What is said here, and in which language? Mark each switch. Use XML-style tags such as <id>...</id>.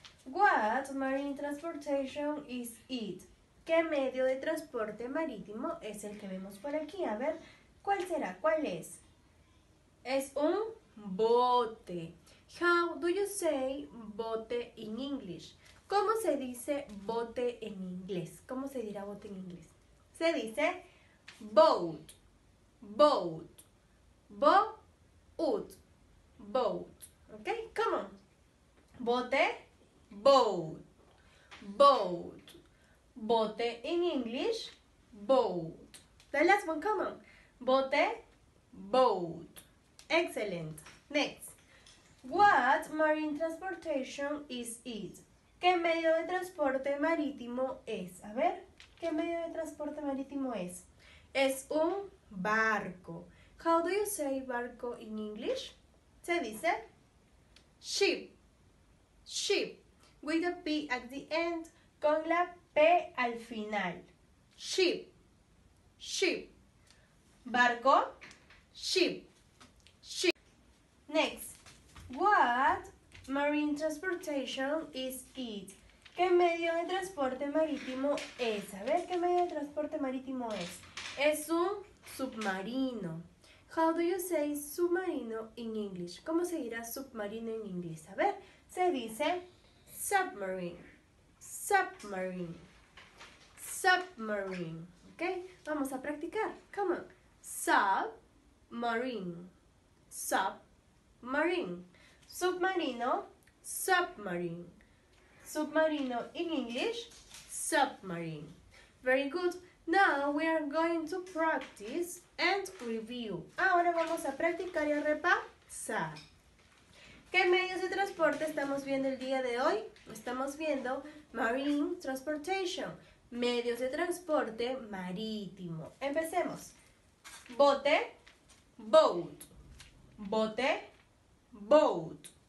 <en>What marine transportation is it?</en> <es>¿Qué medio de transporte marítimo es el que vemos por aquí? A ver, ¿cuál será? ¿Cuál es? Es un bote.</es> <en>How do you say bote in English?</en> <es>¿Cómo se dice bote en inglés? ¿Cómo se dirá bote en inglés? Se dice</es> <en>boat, boat, boat, boat. ¿Ok? Come on. Bote, boat, boat, bote in English, boat. The last one, come on. Bote, boat. Excellent. Next. What marine transportation is it?</en> <es>¿Qué medio de transporte marítimo es? A ver, ¿qué medio de transporte marítimo es? Es un barco.</es> <en>How do you say barco in English?</en> <es>Se dice ship. Ship.</es> <en>With a P at the end,</en> <es>con la P al final.</es> <en>Ship. Ship. Barco. Ship. Ship. Next. What marine transportation is it?</en> <es>¿Qué medio de transporte marítimo es? A ver, ¿qué medio de transporte marítimo es? Es un submarino.</es> <en>How do you say submarino in English?</en> <es>¿Cómo se dirá submarino en inglés? A ver, se dice submarine. Submarine. Submarine. ¿Ok? Vamos a practicar.</es> <en>Come on. Submarine. Submarine. Submarino, submarine. Submarino in English, submarine. Very good. Now we are going to practice and review.</en> <es>Ahora vamos a practicar y a repasar. ¿Qué medios de transporte estamos viendo el día de hoy? Estamos viendo marine transportation, medios de transporte marítimo. Empecemos.</es> <en>Bote, boat. Bote, boat.</en>